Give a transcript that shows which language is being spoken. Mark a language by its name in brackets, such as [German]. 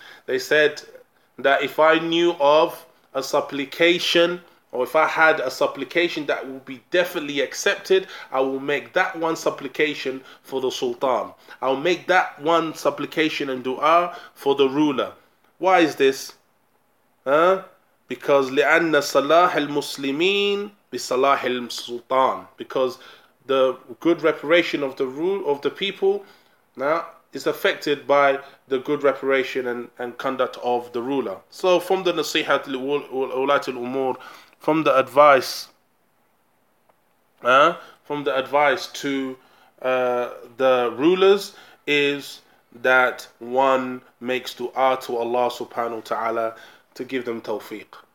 [English] They said that if I knew of a supplication, or if I had a supplication that would be definitely accepted, I will make that one supplication for the Sultan. I'll make that one supplication and dua for the ruler. Why is this? Because [Arabic] لأن صلاح المسلمين بصلاح السلطان. [English] Because the good reparation of the rule of the people now is affected by the good reparation and conduct of the ruler. So from the nasiha ulat al-umur, from the advice, from the advice to the rulers, is that one makes dua to Allah subhanahu wa ta'ala to give them tawfiq.